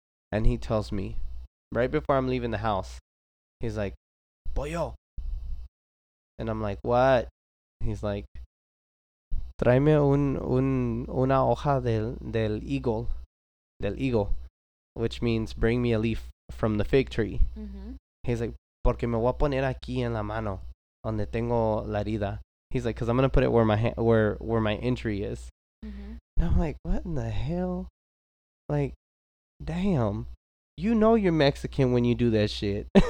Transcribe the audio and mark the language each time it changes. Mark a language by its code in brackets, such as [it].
[en] And he tells me, right before I'm leaving the house, he's like, pollo. And I'm like, what? He's like, [es] tráeme una hoja del higo, [en] which means bring me a leaf from the fig tree. Mm-hmm. He's like, [es] porque me voy a poner aquí en la mano, donde tengo la herida. [en] He's like, because I'm going to put it where my injury is. Mm-hmm. And I'm like, what in the hell? Like, damn. You know you're Mexican when you do that shit.